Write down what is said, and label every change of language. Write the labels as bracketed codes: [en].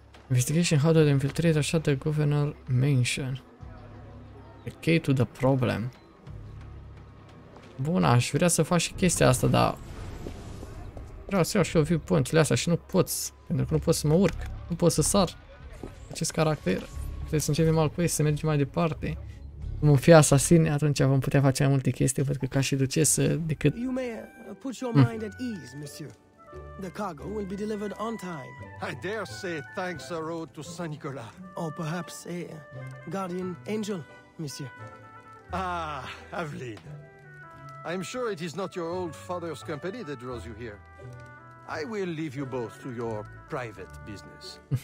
[en] Investigation how to infiltrate așa de governor mansion. The key to the problem. [ro] Bun, aș vrea să fac și chestia asta, dar... vreau să iau și eu viewpoint-urile astea și nu pot. Pentru că nu pot să mă urc. Nu pot să sar. Acest caracter, trebuie să începem alt quest, să mergem mai departe. Cum îmi fie asasin, atunci vom putea face mai multe chestii, văd că ca și ducesă, decât... [en] You may put your mind at ease, monsieur. The cargo will be delivered on time. I dare say thanks a road to Saint Nicolas. Or perhaps a guardian angel, monsieur. Ah, Aveline. I'm sure it is not your old father's company that draws you here. I will leave you both to your private business.